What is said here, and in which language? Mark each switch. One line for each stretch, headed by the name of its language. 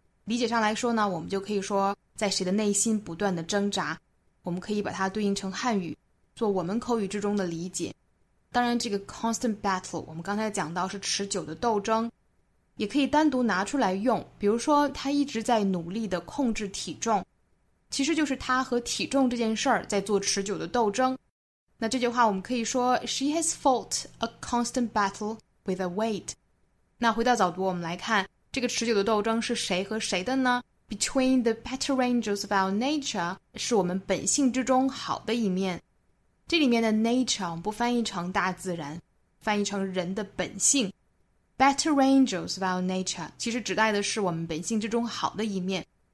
Chinese: 理解上来说呢，我们就可以说在谁的内心不断的挣扎，我们可以把它对应成汉语，做我们口语之中的理解。当然这个 constant battle 我们刚才讲到是持久的斗争，也可以单独拿出来用，比如说他一直在努力的控制体重，其实就是他和体重这件事儿在做持久的斗争。那这句话我们可以说
English: She has fought a constant battle with a weight。
Chinese: 那回到早读，我们来看这个持久的斗争是谁和谁的呢？
English: Between the better angels of our nature
Chinese: 是我们本性之中好的一面，这里面的 nature 我们不翻译成大自然，翻译成人的本性。
English: Better angels of our nature
Chinese: 其实指代的是我们本性之中好的一面。